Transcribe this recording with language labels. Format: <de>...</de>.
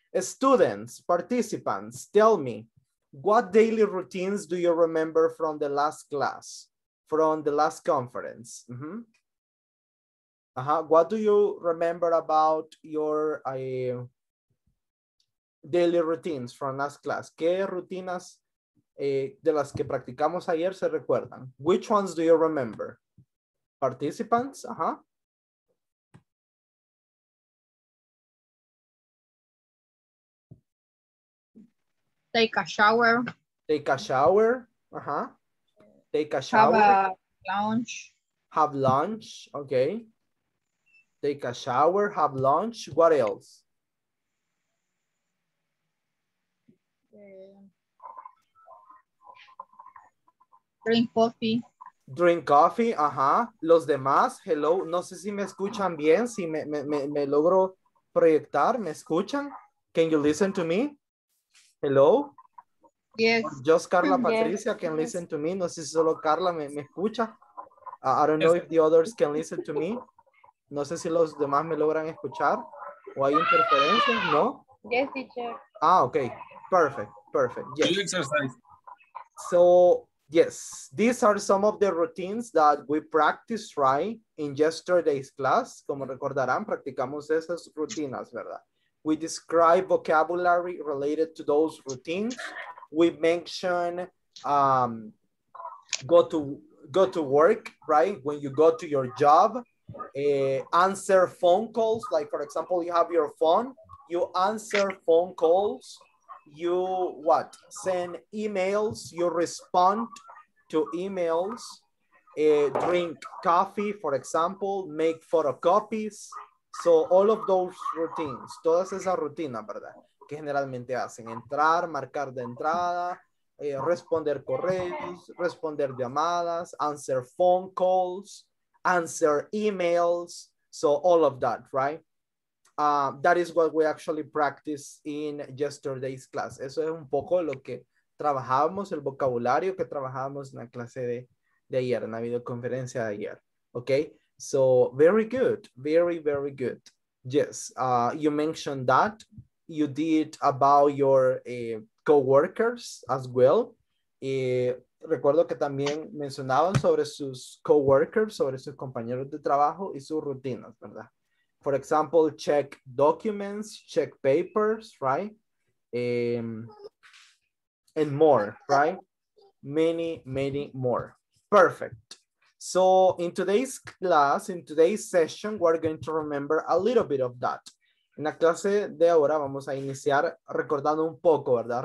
<en>Students, participants, tell me, what daily routines do you remember from the last class, from the last conference? What do you remember about your daily routines from last class?</en> <es>¿Qué rutinas de las que practicamos ayer se recuerdan?</es> <en>Which ones do you remember? Participants? Take a shower. Take a shower. Take a shower. Have a lunch. Have lunch. Okay. Take a shower, have lunch. What else? Drink coffee. Drink coffee,</en> <es>Los demás,</es> <en>hello.</en> <es>No sé si me escuchan bien, si me logro proyectar. ¿Me escuchan?</es> <en>Can you listen to me? Hello? Yes. Just Carla Patricia can listen to me.</en> <es>No sé si solo Carla me escucha.</es> <en>I don't know if the others can listen to me.</en> <es>No sé si los demás me logran escuchar o hay interferencia, ¿no?</es> <en>Yes, teacher. Okay. Perfect, perfect. Yes. Good exercise. So, yes, these are some of the routines that we practiced, right, in yesterday's class.</en> <es>Como recordarán, practicamos esas rutinas, ¿verdad?</es> <en>We describe vocabulary related to those routines. We mention go to work, right, when you go to your job. Answer phone calls, like for example, you have your phone, you answer phone calls, you what? Send emails, you respond to emails, drink coffee, for example, make photocopies. So all of those routines,</en> <es>todas esas rutinas, ¿verdad? que generalmente hacen, entrar, marcar de entrada, responder correos, responder llamadas,</es> <en>answer phone calls, answer emails, so all of that, right? That is what we actually practiced in yesterday's class.</en> <es>Eso es un poco lo que trabajábamos, el vocabulario que trabajábamos en la clase de ayer, en la videoconferencia de ayer, okay?</es> <en>So very good, very, very good. Yes, you mentioned that. You did about your co-workers as well.</en> <es>Recuerdo que también mencionaban sobre sus co-workers, sobre sus compañeros de trabajo y sus rutinas, ¿verdad?</es> <en>For example, check documents, check papers, right? And more, right? Many, many more. Perfect. So in today's class, in today's session, we're going to remember a little bit of that.</en> <es>En la clase de ahora vamos a iniciar recordando un poco, ¿verdad?</es>